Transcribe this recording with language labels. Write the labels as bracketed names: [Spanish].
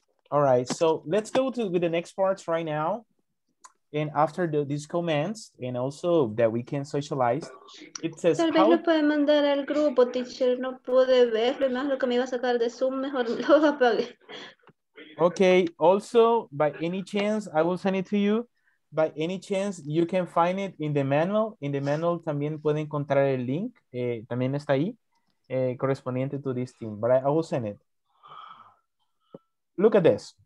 [English] All right, so let's go to with the next parts right now. And after these commands, and also that we can socialize, it says. [Spanish] Tal vez lo puede mandar al grupo, teacher. No pude verlo. Más lo que me iba a sacar de Zoom, mejor lo apague. [English] Okay. Also, by any chance, I will send it to you. By any chance, you can find it in the manual. In the manual, [Spanish] también puede encontrar el link. También está ahí, correspondiente [English] to this team. But I will send it. Look at this.